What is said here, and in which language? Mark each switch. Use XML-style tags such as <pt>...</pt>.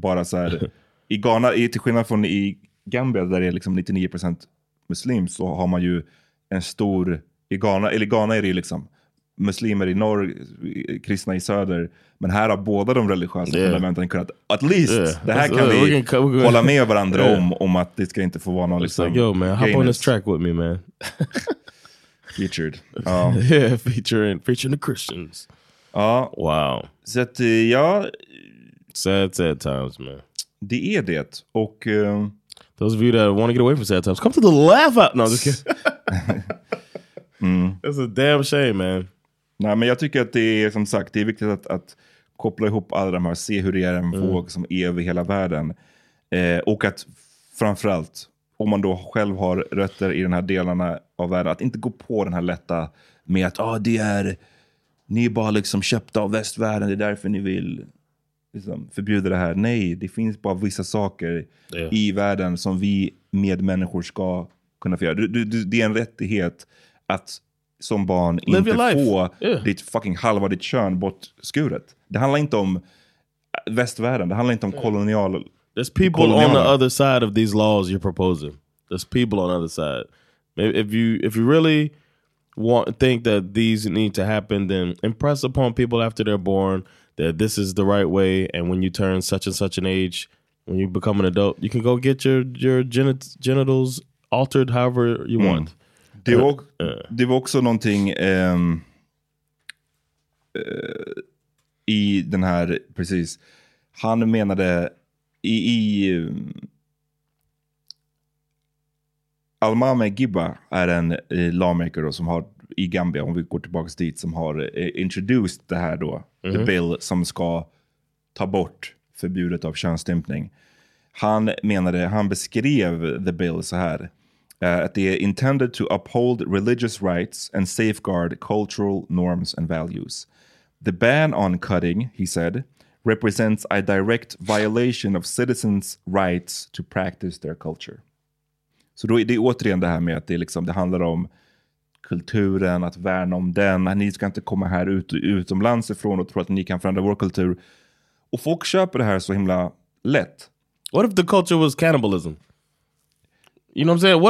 <sv>Bara så här, i Ghana, till skillnad från i Gambia där det är liksom 99% muslim, så har man ju en stor, i Ghana är det ju liksom muslimer i norr, kristna i söder. Men här har båda de religiösa elementen kunnat,</sv> <en>at least,</en> <sv>det här kan vi hålla med varandra om att det ska inte få vara någon liksom,</sv> <en>like, yo man, hop on this track with me man. Featured. featuring the Christians.</en> <sv>Ja. Wow. Så att, ja.</sv> <en>Sad times, man.</en> <sv>Det är det. Och</sv> <en>those of you that want to get away from sad times, come to the laugh out. No, just kidding. Mm. It's a damn shame, man.</en> <sv>Nej, men jag tycker att det är som sagt, det är viktigt att koppla ihop alla de här, se hur det är en våg som är över hela världen. Och att framförallt, om man då själv har rötter i den här delarna av världen, att inte gå på den här lätta med att det är, ni är bara liksom köpta av västvärlden, det är därför ni vill liksom förbjuda det här. Nej, det finns bara vissa saker i världen som vi medmänniskor ska kunna få göra. Det är en rättighet att som barn</sv> <en>live</en> <sv>inte få ditt fucking halva ditt kön bortskuret. Det handlar inte om västvärlden, det handlar inte om kolonial.</sv> <en>There's people on the other side of these laws you're proposing. There's people on the other side. Maybe if you really think that these need to happen, then impress upon people after they're born that this is the right way, and when you turn such and such an age, when you become an adult, you can go get your genitals altered however you want.</en> <sv>Det var också någonting i den här, precis. Han menade i Almame Gibba är en lawmaker då, som har i Gambia, om vi går tillbaka dit, som har introduced det här då,</sv> <en>the bill</en> <sv>som ska ta bort förbudet av könsstympning. Han beskrev</sv> <en>the bill</en> <sv>så här.</sv> <en>At the intended to uphold religious rights and safeguard cultural norms and values. The ban on cutting, he said, represents a direct violation of citizens' rights to practice their culture.</en> <sv>Så då är det återigen det här med att det liksom, det handlar om kulturen, att värna om den. Ni ska inte komma här utomlands ifrån och tro att ni kan förändra vår kultur. Och folk köper det här så himla lätt.</sv> <en>What if the culture was cannibalism? You know what I'm saying?</en>